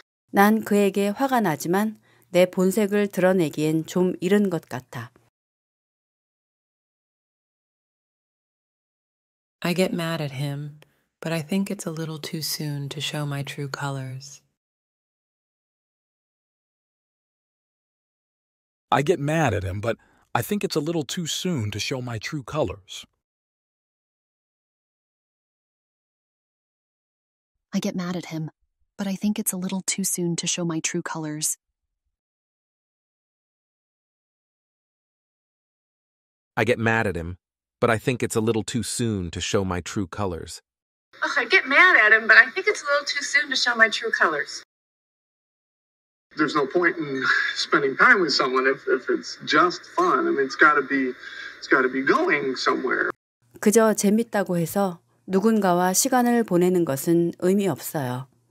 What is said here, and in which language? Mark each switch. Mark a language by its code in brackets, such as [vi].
[ko] 난 그에게 화가 나지만 내 본색을 드러내기엔 좀 이른 것 같아. [en] I get mad at him, but I think it's a little too soon to show my true colors. I get mad at him, but I think it's a little too soon to show my true colors. I get mad at him, but I think it's a little too soon to show my true colors. I get mad at him, but I think it's a little too soon to show my true colors. I get mad at him, but I think it's a little too soon to show my true colors. there's no point in spending time with someone if it's just fun. I mean, it's got to be going somewhere. [ko] 그저 재밌다고 해서 누군가와 시간을 보내는 것은 의미 없어요.